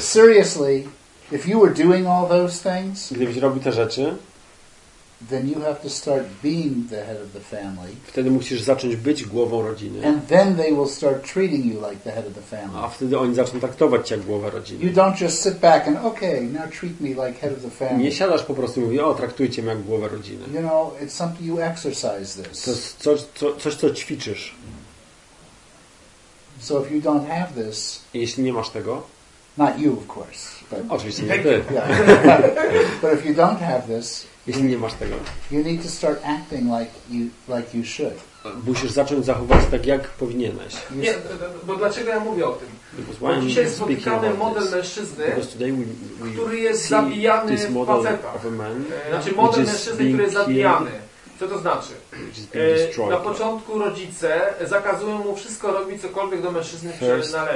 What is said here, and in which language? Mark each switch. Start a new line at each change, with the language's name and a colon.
English: Seriously, if you were doing all those things,
Polish: gdybyś robił te rzeczy,
English: then you have to start being the head of the family.
Polish: Wtedy musisz zacząć być głową rodziny.
English: And then they will start treating you like the head of the family.
Polish: A wtedy oni zaczną traktować cię jak głowa rodziny.
English: You don't just sit back and okay, now treat me like head of the family.
Polish: Nie siadasz po prostu i mówisz, o, traktujcie mnie jak głowa rodziny.
English: You know, it's something you exercise this.
Polish: To jest coś, co ćwiczysz.
English: So if you don't have this,
Polish: jeśli nie masz tego,
English: not you, of course.
Polish: Oczywiście nie ty.
English: But if you don't have this,
Polish: jeśli nie masz tego,
English: you need to start acting like you should.
Polish: musisz zacząć zachować tak, jak powinieneś. Nie, bo dlaczego ja mówię o tym? Bo dzisiaj spotykamy model mężczyzny, który jest zabijany faceta. Znaczy model mężczyzny, który jest zabijany. Co to znaczy? Na początku rodzice zakazują mu wszystko robić, cokolwiek do mężczyzny należy.